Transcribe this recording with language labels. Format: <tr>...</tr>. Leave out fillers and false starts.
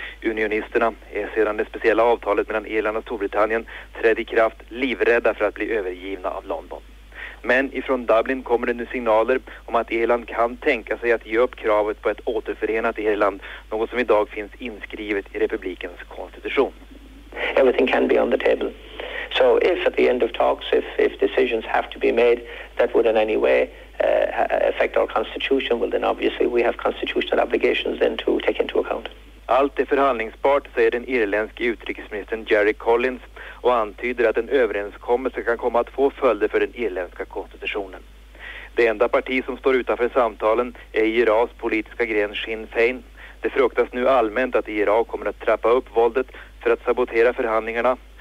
<sv>Unionisterna är sedan det speciella avtalet mellan Irland och Storbritannien trädde i kraft livrädda för att bli övergivna av London. Men ifrån Dublin kommer det nu signaler om att Irland kan tänka sig att ge upp kravet på ett återförenat Irland, något som idag finns inskrivet i republikens konstitution.</sv> <en>Everything can be on the table. So if at the end of talks, if decisions have to be made that would in any way affect our constitution, well then obviously we have constitutional obligations then to take into account.</en> <sv>Allt är förhandlingsbart, säger den irländske utrikesministern Gerry Collins, och antyder att en överenskommelse kan komma att få följder för den irländska konstitutionen. Det enda parti som står utanför samtalen är IRAs politiska gren Sinn Féin. Det fruktas nu allmänt att IRA kommer att trappa upp våldet för att sabotera förhandlingarna.</sv>